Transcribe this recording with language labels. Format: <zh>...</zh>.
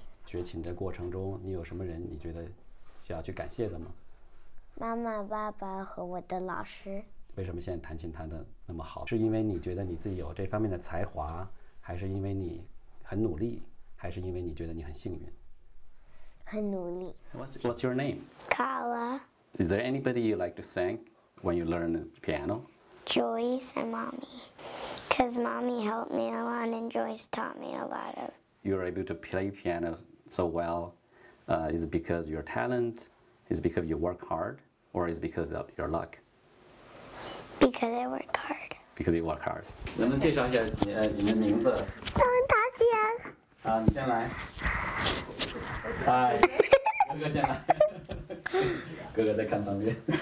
<zh>学琴的过程中，你有什么人你觉得需要去感谢的吗？妈妈、爸爸和我的老师。为什么现在弹琴弹得那么好？是因为你觉得你自己有这方面的才华，还是因为你很努力，还是因为你觉得你很幸运？很努力。</zh> <en>What's your name? Kala. Is there anybody you like to thank when you learn piano? Joyce and Mommy. Because Mommy helped me a lot and Joyce taught me a lot of. You're able to play piano so well. Is it because of your talent? Is it because you work hard? Or is it because of your luck? Because I work hard. Because you work hard.</en> <zh>能不能介绍一下你的名字？邓达贤。好，你先来。嗨，哥哥先来，哥哥在看方便。</zh>